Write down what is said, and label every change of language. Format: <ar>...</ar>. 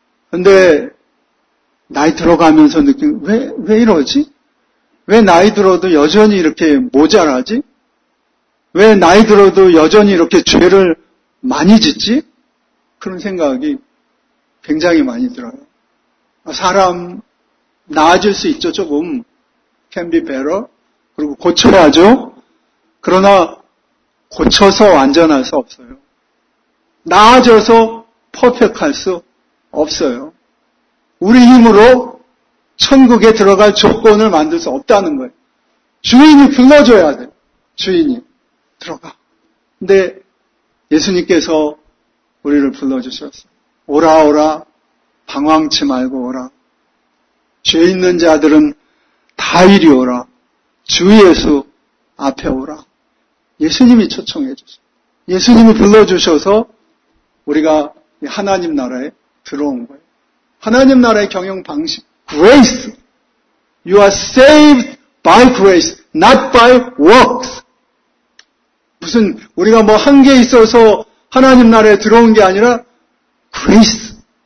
<ko>근데 나이 들어가면서 느낀 왜 이러지? 왜 나이 들어도 여전히 이렇게 모자라지? 왜 나이 들어도 여전히 이렇게 죄를 많이 짓지? 그런 생각이 굉장히 많이 들어요. 사람 나아질 수 있죠. 조금</ko> <en>can be better.</en> <ko>그리고 고쳐야죠. 그러나 고쳐서 완전할 수 없어요. 나아져서 퍼펙트할 수 없어요. 우리 힘으로 천국에 들어갈 조건을 만들 수 없다는 거예요. 주인이 불러줘야 돼요. 주인이 들어가. 근데 예수님께서 우리를 불러주셨어요. 오라 오라 방황치 말고 오라. 죄 있는 자들은 다 이리 오라. 주 예수 앞에 오라. 예수님이 초청해 주셔. 예수님이 불러주셔서 우리가 하나님 나라에 들어온 거예요. 하나님 나라의 경영 방식.</ko> <en>Grace. You are saved by grace, not by works.</en> <ko>무슨 우리가 뭐 한 게 있어서 하나님 나라에 들어온 게 아니라</ko> <en>grace.</en>